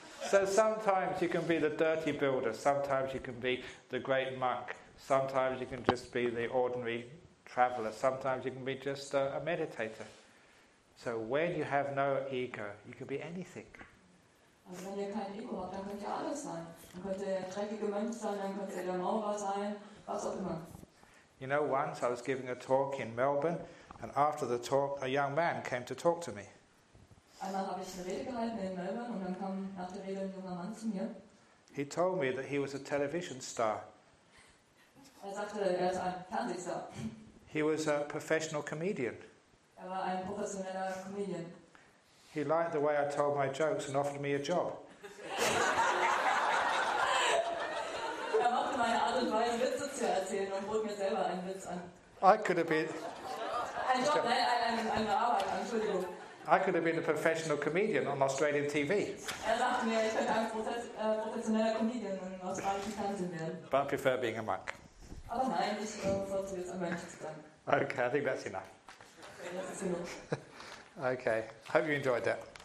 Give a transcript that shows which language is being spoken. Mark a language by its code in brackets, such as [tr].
[en] So sometimes you can be the dirty builder, sometimes you can be the great monk, sometimes you can just be the ordinary traveller, sometimes you can be just a meditator. So when you have no ego, you can be anything. [de] Also wenn ihr kein Ego habt, dann könnt ihr alles sein. Dann könnt ihr dreckige Mönch sein, dann könnt ihr der Maurer sein, was auch immer. [en] You know, once I was giving a talk in Melbourne, and after the talk, a young man came to talk to me. [de] Einmal habe ich eine Rede gehalten in Melbourne und dann kam nach der Rede ein junger Mann zu mir. [en] He told me that he was a television star. [de] Er sagte, er ist ein Fernsehstar. [en] He was a professional comedian. [de] Er war ein professioneller Comedian. [en] He liked the way I told my jokes and offered me a job. [de] Er machte meine Art und Weise, Witze zu erzählen und bot mir selber einen Witz an. [en] I could have been... [de] Ein Job, nein, eine Arbeit, Entschuldigung. [en] I could have been a professional comedian on Australian TV. [de] Er sagte mir, ich könnte ein professioneller Comedian im australischen Fernsehen werden. [en] But I prefer being a monk. [de] Aber nein, ich bevorzuge jetzt ein Mönch zu sein. [en] Okay, I think that's enough. Okay, hope you enjoyed that.